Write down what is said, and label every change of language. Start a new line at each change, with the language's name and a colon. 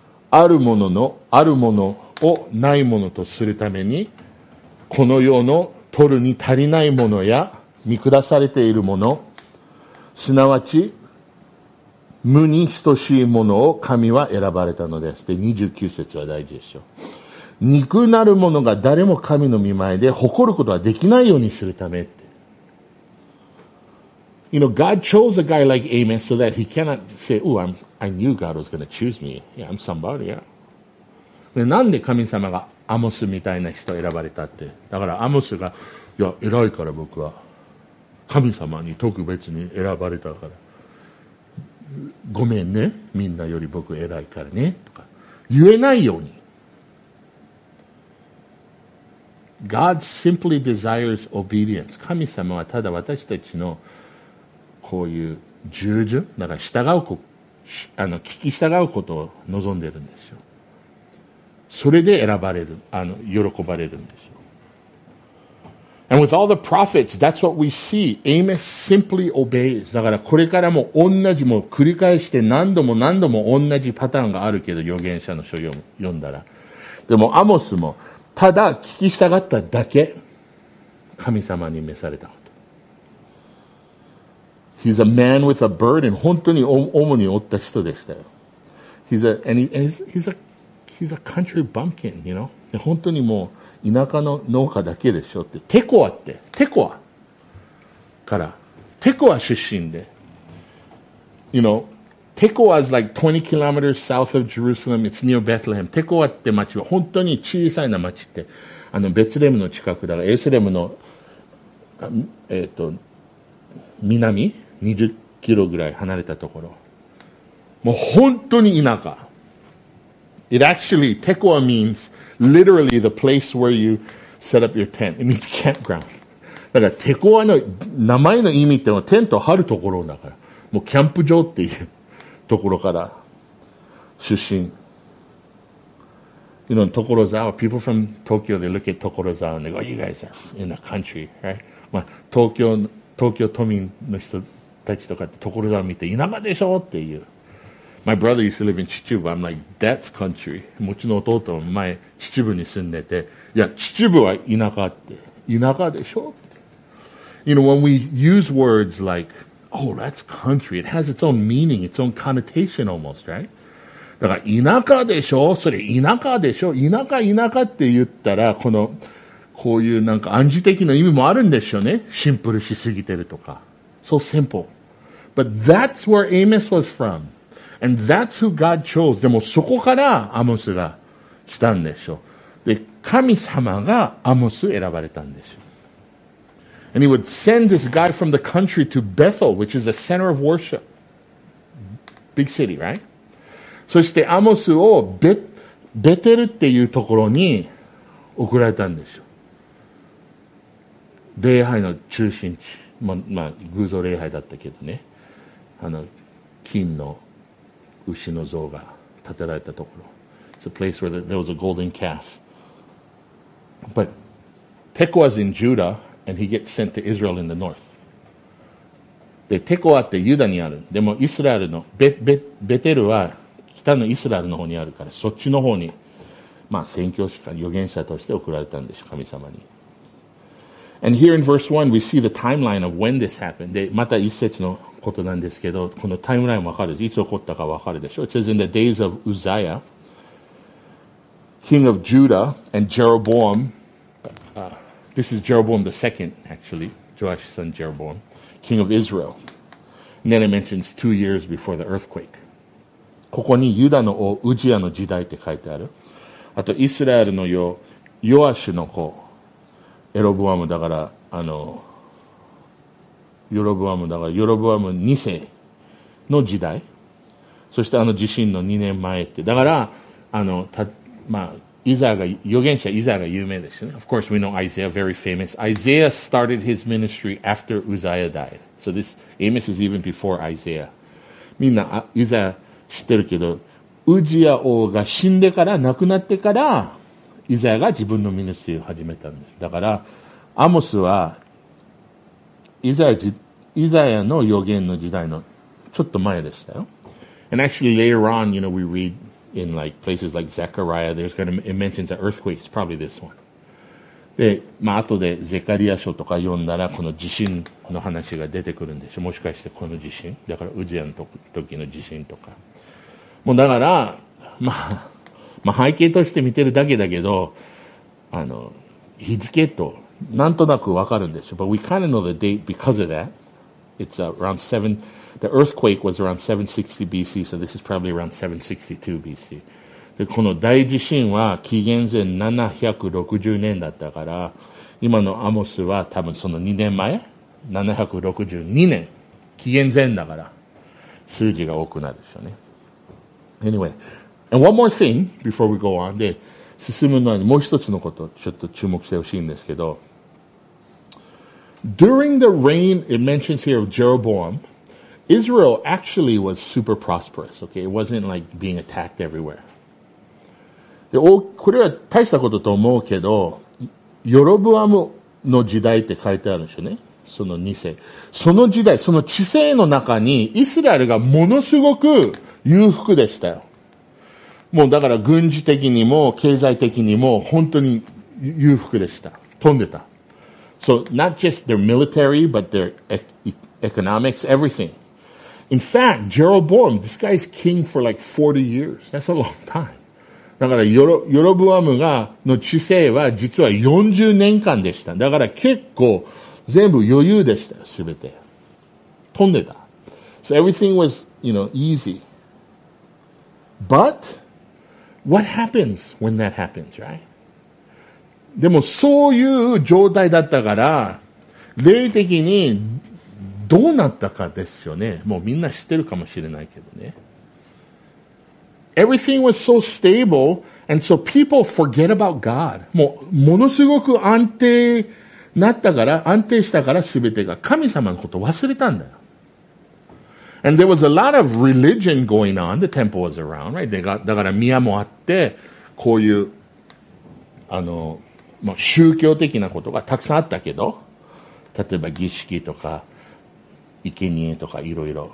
Japanese: ある者のあるものをない者とするために、この世の取るに足りないものや見下されているもの、すなわち無に等しいものを神は選ばれたのです。で、29節は大事でしょう。肉なるものが誰も神の御前で誇ることはできないようにするためって。
English: You know, God chose a guy like Amos so that he cannot say, oh, I knew God was going to choose me. Yeah, I'm somebody, yeah.
Japanese: で、なんで神様がアモスみたいな人選ばれたって。だからアモスが、いや、偉いから僕は。神様に特別に選ばれたから。ごめんね。みんなより僕偉いからね。とか言えないように。
English: God simply desires obedience.
Japanese: 神様はただ私たちのこういう従順、だから従うこ、あの、聞き従うことを望んでるんですよ。それで選ばれる、あの、喜ばれるんですよ。
English: And with all the prophets, that's what we see. Amos simply obeys.
Japanese: だからこれからも同じ、もう繰り返して何度も何度も同じパターンがあるけど、預言者の書を読んだら。でもアモスも、ただ聞き従っただけ、神様に召されたこと。
English: He's a man with a burden.
Japanese: 本当に主に負った人でしたよ。
English: He's a country bumpkin, you know.
Japanese: 本当にもう田舎の農家だけでしょって。テコアって。テコア。から。テコア出身で。
English: You know, テコア is like 20 kilometers south of Jerusalem. It's near Bethlehem.
Japanese: テコアって町は本当に小さいな町って。あの、ベツレムの近くだから、エスレムの、南 ?20 キロぐらい離れたところ。もう本当に田舎。
English: It actually, Tekoa means literally the place where you set up your tent. It means campground.
Japanese: だから Tekoa の名前の意味ってのはテントを張るところだから。もうキャンプ場っていうところから出身。
English: You know, Tokorozawa, people from Tokyo, they look at Tokorozawa and they go, you guys are in the country, right?
Japanese: まあ、東京都民の人たちとかって Tokorozawa 見て田舎でしょっていう。
English: My brother used to live in Chichibu. I'm like, that's country.
Japanese: もちろん弟も前、Chichibuに住んでて、いや、Chichibuは田舎って、田舎でしょって。
English: You know, when we use words like, oh, that's country, it has its own meaning, its own connotation almost, right?
Japanese: だから、田舎でしょ?それ、田舎でしょ? 田舎、田舎って言ったら、この、こういうなんか暗示的な意味もあるんでしょうね。シンプルしすぎてるとか。
English: So simple. But that's where Amos was from. And that's who God chose.
Japanese: でもそこからアモスが来たんでしょう。で、神様がアモス選ばれたんでしょう。
English: And he would send this guy from the country to Bethel, which is the center of worship. Big city, right?
Japanese: そしてアモスをベテルっていうところに送られたんでしょう。礼拝の中心地。まあ、偶像礼拝だったけどね。あの、金の牛の像が建てられたところ。
English: It's a place where there was a golden calf. But Tekoa's in Judah, and he gets sent to Israel in the north.
Japanese: で、テコアってユダにある。でも、イスラエルの、ベテルは北のイスラエルの方にあるから、そっちの方に、まあ、宣教師か、預言者として送られたんでしょ、神様に。 And here in verse 1, we see the timeline of when this happened. で、また一節のことなんですけど、このタイムラインわかる。いつ起こったかわかるでしょ。
English: It says, in the days of Uzziah, king of Judah, and Jeroboam, this is Jeroboam the second, actually, Joash's son Jeroboam, king of Israel. And then it mentions 2 years before the earthquake.
Japanese: ここにユダの王、ウジアの時代って書いてある。あと、イスラエルの王、ヨアシュの子、エロブアムだから、ヨロブアムだから、ヨロブアム2世の時代。そして地震の2年前って。だから、イザヤが、預言者イザヤが有名でしたね。
English: Of course, we know Isaiah, very famous. Isaiah started his ministry after Uzziah died. So this, Amos is even before Isaiah.
Japanese: みんな、イザヤ知ってるけど、ウジヤ王が死んでから、亡くなってから、イザヤが自分のミニストリーを始めたんです。だから、アモスは、イザヤの預言の時代のちょっと前でしたよ。
English: And actually later on, you know, we read in like places like Zechariah, there's going to, it mentions an earthquake, it's probably this one.
Japanese: で、まあ後でゼカリア書とか読んだらこの地震の話が出てくるんでしょ。もしかしてこの地震、だからウジヤの時の地震とか。もうだから、まあ背景として見てるだけだけど、日付と、なんとなくわかるんでしょ。
English: But we kind of know the date because of that. It's around 7, the earthquake was around 760 BC, so this is probably around 762 BC.
Japanese: で、この大地震は紀元前760年だったから、今のアモスは多分その2年前、762年、紀元前だから、数字が多くなるでしょうね。
English: Anyway, and one more thing before we go on.
Japanese: で、進むのにもう一つのことちょっと注目してほしいんですけど。
English: During the reign, it mentions here of Jeroboam, Israel actually was super prosperous, okay? It wasn't like being attacked everywhere.
Japanese: で、これは大したことと思うけど、ヨロブアムの時代って書いてあるんでしょうね。その2世。その時代、その治世の中にイスラエルがものすごく裕福でしたよ。もうだから軍事的にも経済的にも本当に裕福でした。飛んでた。
English: So, not just their military, but their economics, everything. In fact, Jeroboam, this guy's king for like 40 years. That's a long time.
Japanese: だからヨロブアムがの治世は実は40年間でした。だから結構全部余裕でしたよ、すべて。飛んでた。
English: So everything was, you know, easy. But, what happens when that happens, right?
Japanese: でもそういう状態だったから、霊的にどうなったかですよね。もうみんな知ってるかもしれないけどね。
English: Everything was so stable, and so people forget about God.
Japanese: もうものすごく安定なったから、安定したから全てが神様のこと忘れたんだよ。
English: And there was a lot of religion going on. The temple was around, right?
Japanese: だから宮もあって、こういう、まあ、宗教的なことがたくさんあったけど、例えば儀式とか、生贄とかいろいろ。